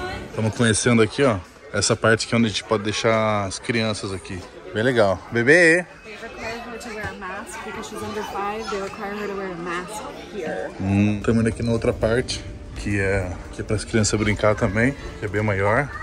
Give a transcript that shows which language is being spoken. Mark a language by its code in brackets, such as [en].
[pt] Estamos conhecendo aqui, ó, essa parte que é onde a gente pode deixar as crianças aqui. Bem legal. Bebê! [en] They require her to wear a mask because she's under 5. They require her to wear a mask here. [pt] Estamos indo aqui na outra parte, que é para as crianças brincar também, que é bem maior.